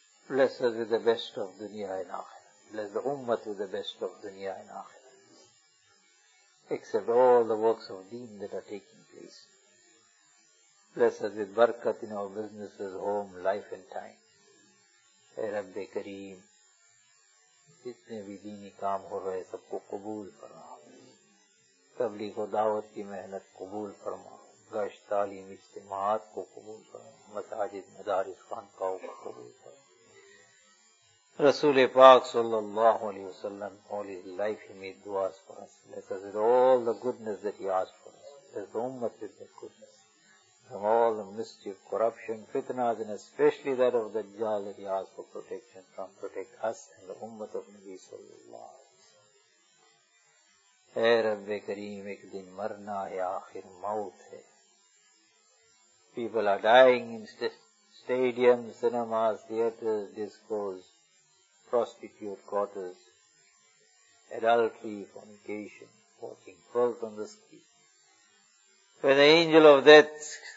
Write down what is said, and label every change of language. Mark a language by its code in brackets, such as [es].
[en] Bless us with the best of dunya and akhirah. Bless the ummah with the best of dunya and akhirah. Except all the works of deen that are taking place. Bless us with barakat in our businesses, home, life and time. [ur] اے رب کریم جتنے بھی دینی کام ہو رہے سب کو قبول فرما. تبلیغ و دعوت کی محنت قبول فرما. گشت تعلیم اجتماعات کو قبول فرما. مساجد مدارس خانقاہوں کو قبول فرما. رسول پاک صلی اللہ علیہ وسلم [en] all his life he made duas for us. Let us with all the goodness that he asked for us. Let the ummah with that goodness. From all the mischief, corruption, fitnas and especially that of the Dajjal that he asked for protection from, protect us and the ummah of Nabi صلی اللہ. [ur] اے رب کریم ایک دن مرنا ہے، آخر موت ہے. [en] People are dying in stadiums, cinemas, theaters, discos, prostitute quarters, adultery, fornication, walking filth on the street. When the angel of death